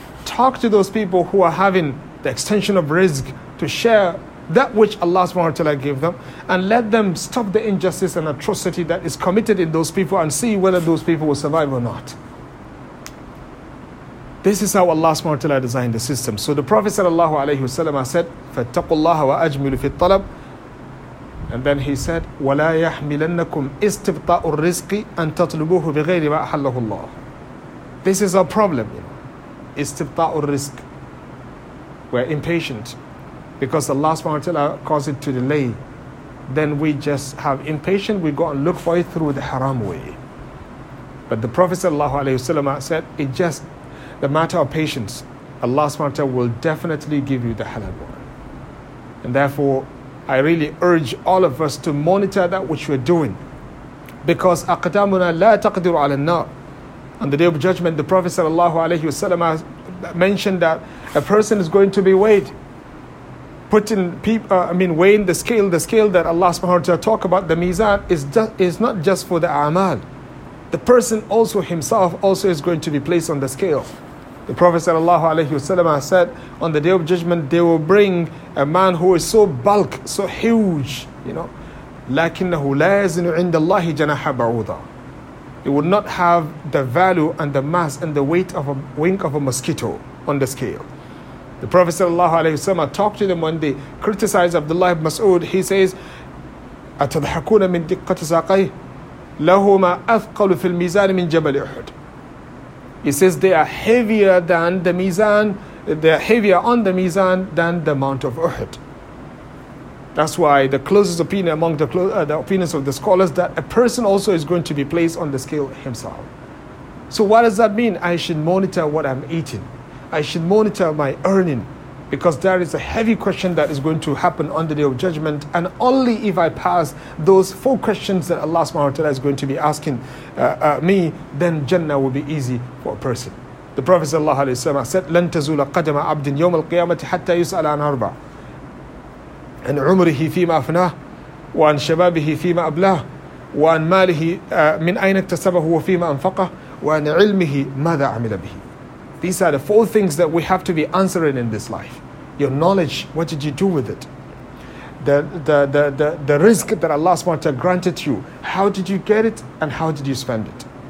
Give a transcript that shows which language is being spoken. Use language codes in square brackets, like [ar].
[en] Talk to those people who are having the extension of rizq to share that which Allah subhanahu wa ta'ala gave them, and let them stop the injustice and atrocity that is committed in those people and see whether those people will survive or not. This is how Allah subhanahu wa ta'ala designed the system. So the Prophet sallallahu alayhi wa sallam said, [ar] فَاتَّقُوا اللَّهَ وَأَجْمِلُوا فِي الطَّلَبِ. [en] And then he said, [ar] وَلَا يَحْمِلَنَّكُمْ إِسْتِبْطَاءُ الرِّزْقِ أَن تَطْلُبُوهُ بِغَيْرِ مَا أَحَلَّهُ اللَّهُ. [en] This is our problem, you know. [ar] إِسْتِبْطَاءُ الرِّزْقِ. [en] We're impatient because Allah subhanahu wa ta'ala caused it to delay. Then we just have impatience, we go and look for it through the haram way. But the Prophet sallallahu alayhi wa sallam said, it's just the matter of patience. Allah subhanahu wa ta'ala will definitely give you the halal one. And therefore, I really urge all of us to monitor that which we're doing. [ar] Because أَقْدَامُنَا لَا تَقْدِرُ عَلَى النَّارِ. [en] On the Day of Judgment, the Prophet sallallahu alayhi wa sallam mentioned that a person is going to be weighed, weighing the scale that Allah subhanahu wa ta'ala talk about, the mizan, is not just for the a'mal. The person also himself also is going to be placed on the scale. The Prophet sallallahu alayhi wa sallam said, on the Day of Judgment, they will bring a man who is so bulk, so huge, you know, [ar] لَكِنَّهُ لَازِنُ عِنْدَ اللَّهِ جَنَحَ بَعُوضًا. [en] It would not have the value and the mass and the weight of a wing of a mosquito on the scale. The Prophet sallallahu alayhi wa sallam talked to them when they criticized Abdullah ibn Mas'ud. He says, [ar] أَتَضْحَكُونَ مِنْ دِقَّةِ سَاقَيْهِ لَهُمَا أَثْقَلُ فِي الْمِيزَانِ مِنْ جَبَلِ أُحُدٍ. [en] He says they are heavier than the mizan, they are heavier on the mizan than the Mount of Uhud. That's why the closest opinion among the opinions of the scholars that a person also is going to be placed on the scale himself. So what does that mean? I should monitor what I'm eating. I should monitor my earning. Because there is a heavy question that is going to happen on the Day of Judgment. And only if I pass those 4 questions that Allah subhanahu wa ta'ala is going to be asking me, then Jannah will be easy for a person. The Prophet sallallahu alayhi wa sallam said, [ar] لَن تَزُولَ قَدَمَ عَبْدٍ يَوْمَ الْقِيَامَةِ حَتَّى يُسْأَلَ عَنْ أَرْبَعَ. أَنْ عُمْرِهِ فِي مَا أَفْنَاهُ وَأَنْ شَبَابِهِ فِي مَا أَبْلَاهُ وأن ماله من أين اكتسبه وفيما أنفقه وأن علمه ماذا عمل به. [en] These are the four things that we have to be answering in this life. Your knowledge, what did you do with it? The risk that Allah SWT granted you, how did you get it and how did you spend it?